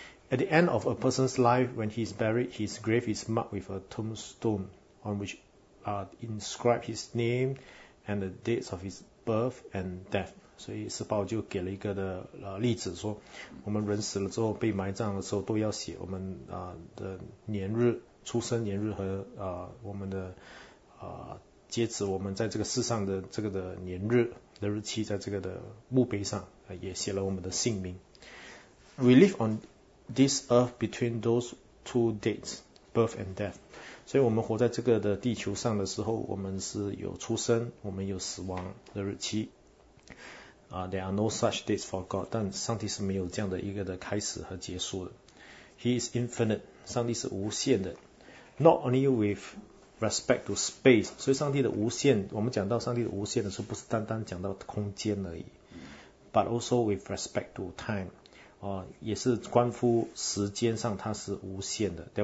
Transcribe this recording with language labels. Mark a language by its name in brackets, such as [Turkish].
[English] At the end of a person's life when he is buried, his grave is marked with a tombstone on which are inscribed his name and the dates of his birth and death。 [Chinese] 所以斯巴尔就给了一个的例子，说我们人死了之后被埋葬的时候都要写我们的年日，出生年日和我们的截止我们在这个世上的这个的年日的日期，在这个的墓碑上也写了我们的姓名。 [English] We live on this earth between those two dates, birth and death。 [Chinese] 所以我们活在这个的地球上的时候，我们是有出生，我们有死亡的日期。 [English] There are no such dates for God， [Chinese] 但上帝是没有这样的一个的开始和结束的。 [English] He is infinite， [Chinese] 上帝是无限的。 [English] Not only with respect to space， [Chinese] 所以上帝的无限，我们讲到上帝的无限的时候，不是单单讲到空间而已 ， [English] but also with respect to time， [Chinese] 也是关乎时间上它是无限的。